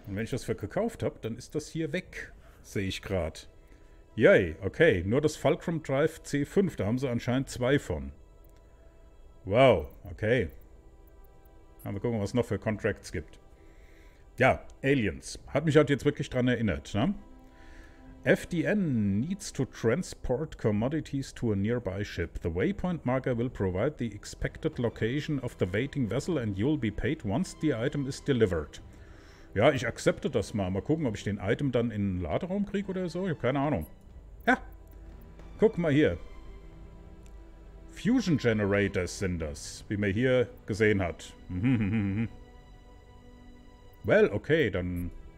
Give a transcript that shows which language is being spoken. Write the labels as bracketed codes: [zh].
[de] Und wenn ich das verkauft habe, dann ist das hier weg, sehe ich gerade. Yay, okay. Nur das Fulcrum Drive C5, da haben sie anscheinend 2 von. Wow, okay. Mal gucken, was es noch für Contracts gibt. Ja, Aliens. Hat mich halt jetzt wirklich dran erinnert, ne? [en] FDN needs to transport commodities to a nearby ship. The waypoint marker will provide the expected location of the waiting vessel and you'll be paid once the item is delivered. [de] Ja, ich akzeptiere das mal. Mal gucken, ob ich den Item dann in den Laderaum kriege oder so. Ich habe keine Ahnung. Ja, guck mal hier. Fusion Generators sind das, wie man hier gesehen hat. Well, okay, dann...